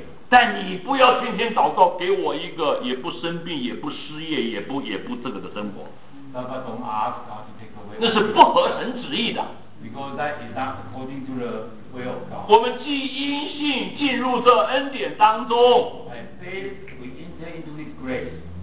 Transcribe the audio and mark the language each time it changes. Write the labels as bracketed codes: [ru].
[zh] 但你不要天天祷告，给我一个也不生病、也不失业、也不这个的生活。那是不合神旨意的。 [en] Because that is not according to the will of God. [zh] 我们既因信进入这恩典当中。 [en] By faith we enter into His grace.